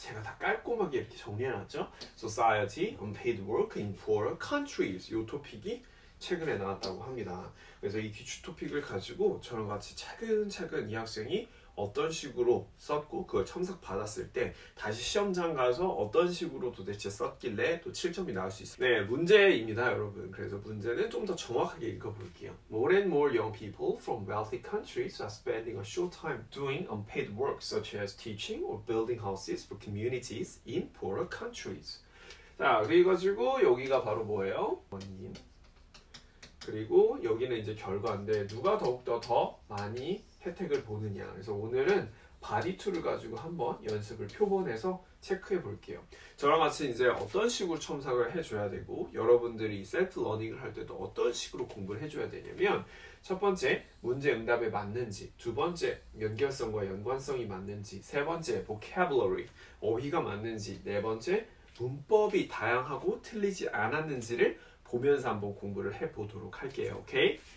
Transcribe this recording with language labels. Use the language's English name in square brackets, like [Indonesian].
[Korean] 제가 다 깔끔하게 이렇게 정리해놨죠. [English] Society, unpaid work in poorer countries. [Korean] 이 토픽이 최근에 나왔다고 합니다. 그래서 이 기출 토픽을 가지고 저랑 같이 차근차근 이 학생이 어떤 식으로 썼고 그걸 첨삭 받았을 때 다시 시험장 가서 어떤 식으로 도대체 썼길래 또 7점이 나올 수 있습니다. 네, 문제입니다, 여러분. 그래서 문제는 좀 더 정확하게 읽어볼게요. [English] More and more young people from wealthy countries are spending a short time doing unpaid work such as teaching or building houses for communities in poorer countries. [Korean] 자, 그래가지고 여기가 바로 뭐예요? 원인. 그리고 여기는 이제 결과인데 누가 더욱더 더 많이 혜택을 보느냐. 그래서 오늘은 바디 툴을 가지고 한번 연습을 표본해서 체크해 볼게요. 저랑 같이 이제 어떤 식으로 첨삭을 해줘야 되고 여러분들이 셀프 러닝을 할 때도 어떤 식으로 공부를 해줘야 되냐면 첫 번째 문제 응답에 맞는지, 두 번째 연결성과 연관성이 맞는지, 세 번째 vocabulary 어휘가 맞는지, 네 번째 문법이 다양하고 틀리지 않았는지를 보면서 한번 공부를 해 보도록 할게요. 오케이?